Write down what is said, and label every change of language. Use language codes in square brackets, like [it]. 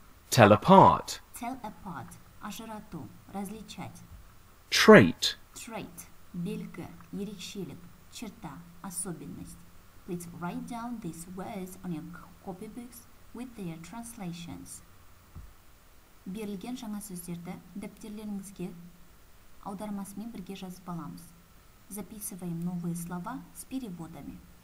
[en] Tell apart. Tell apart. [kk] Ажирату. [ru] Различать. [en] Trait. Trait. [kk] Білька. Ерекшелік. [ru] Черта. Особенность. [en] Please write down these words on your copy books with their translations. [kk] Берілген жаңа сөздерді дәптерлеріңізге аудармасымен бірге жазып аламыз. [ru] Записываем новые слова с переводами.